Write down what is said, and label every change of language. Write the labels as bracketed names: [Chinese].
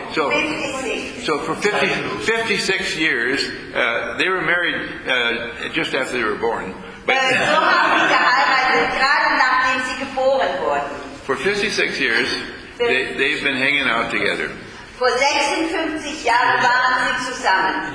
[English] So, 56. So for 56 years, they were married just after they were born. [German] But so haben sie geheiratet, gerade nachdem sie geboren wurden. [English] For 56 years, they've been hanging out together. [German] Vor 56 Jahren waren sie zusammen.